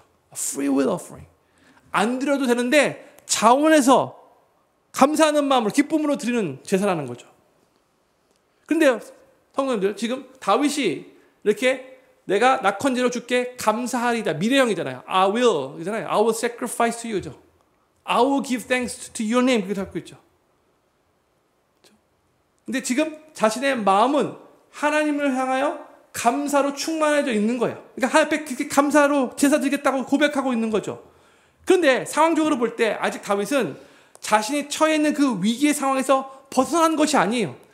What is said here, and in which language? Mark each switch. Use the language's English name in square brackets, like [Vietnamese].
[English] A free will offering. [Korean] 안 드려도 되는데 자원해서 감사하는 마음으로 기쁨으로 드리는 제사라는 거죠. 그런데 성도님들 지금 다윗이 이렇게 내가 낙헌제로 주께 감사하리다 미래형이잖아요. I will sacrifice to you 죠. I will give thanks to your name 그렇게 하고 있죠. 근데 지금 자신의 마음은 하나님을 향하여 감사로 충만해져 있는 거예요. 그러니까 하나님께 그렇게 감사로 제사 드리겠다고 고백하고 있는 거죠. 그런데 상황적으로 볼 때 아직 다윗은 자신이 처해 있는 그 위기의 상황에서 벗어난 것이 아니에요.